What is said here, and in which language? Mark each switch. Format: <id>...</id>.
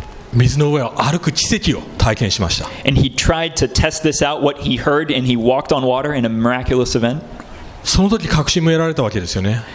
<ja>水の上を歩く奇跡を体験しました。</ja> <en>And he tried to test this out, what he heard, and he walked on water in a miraculous event.</en> <ja>その時確信も得られたわけですよね。</ja>